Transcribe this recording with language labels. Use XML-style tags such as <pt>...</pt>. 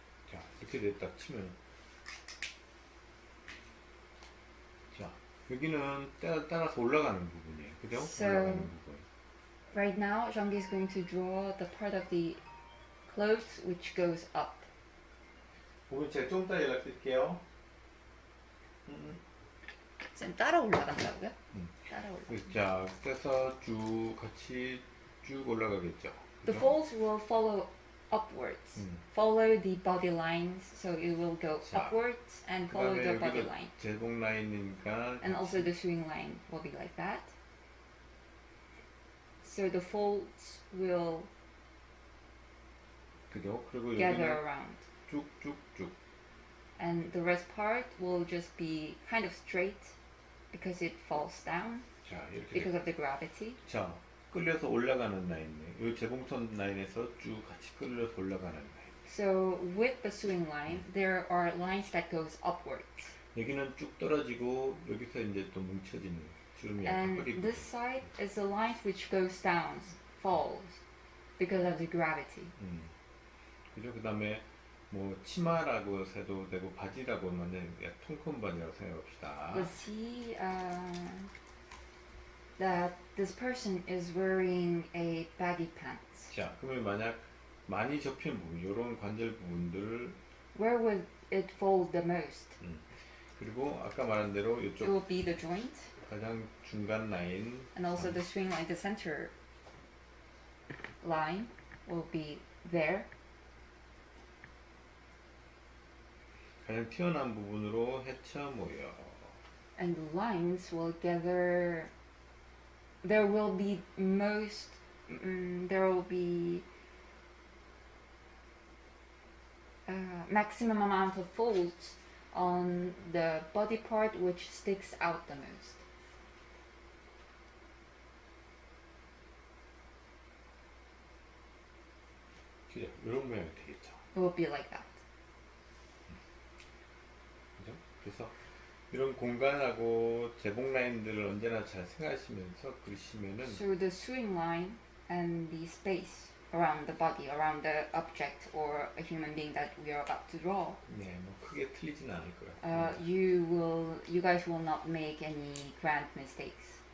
<ko>자, 이렇게 됐다 치면 자, 여기는 따라서 올라가는 부분이에요. 그죠?</ko> <en>So,</en> <ko>올라가는 부분.</ko> <en>Right now, Jung Gi is going to draw the part of the clothes which goes up.</en> <ko>부분 제가 좀 이따 연락드릴게요. 쌤 따라 올라간다고요? 따라 올라. 자, 그래서 쭉 같이 쭉 올라가겠죠. 그죠?</ko> <en>The folds will follow upwards, follow the body lines, so it will go</en> <ko>자,</ko> <en>upwards and follow the body line.</en> <ko>재봉 라인이니까.</ko> <en>And also the sewing line will be like that. So the folds will.</en> <ko>그죠? 그리고</ko> <en>gather around.</en> <ko>쭉쭉쭉.</ko> <en>And the rest part will just be kind of straight because it falls down.</en> <ko>자,</ko> <en>because of the gravity.</en> <ko>자, 끌려서 올라가는 라인이. 요 재봉선 라인에서 쭉 같이 끌려서 올라가는 라인.</ko> <en>So with the swing line, there are lines that goes upwards.</en> <ko>여기는 쭉 떨어지고 여기서 이제 또 뭉쳐지는 주름이</ko> <en>And this side is the line which goes down, falls because of the gravity.</en> <ko>그죠? 그다음에 뭐 치마라고 해도 되고 바지라고 하면은 통큰 바지라고 생각합시다.</ko> <en>Let's see that this person is wearing a baggy pants.</en> <ko>자, 그러면 만약 많이 접힌 부분, 이런 관절 부분들.</ko> <en>Where would it fold the most?</en> <ko>그리고 아까 말한 대로 이쪽.</ko> <en>It will be the joint.</en> <ko>가장 중간 라인.</ko> <en>And also the swing line, the center line will be there.</en> <ko>가장 튀어나온 부분으로 헤쳐 모여.</ko> <en>And the lines will gather. There will be most. There will be. Maximum amount of folds on the body part which sticks out the most.</en> <ko>이런 모양이 되겠죠.</ko> <en>It will be like that.</en> <ko>그죠? 그래서 이런 공간하고 재봉 라인들을 언제나 잘 생각하시면서 그리시면은.</ko> <en>So the swing line and the space. Around the body, around the object or a human being that we are about to draw.</en> <ko>네, 뭐 크게 틀리진 않을 거야.</ko> <en>You guys will not make any grand mistakes.</en>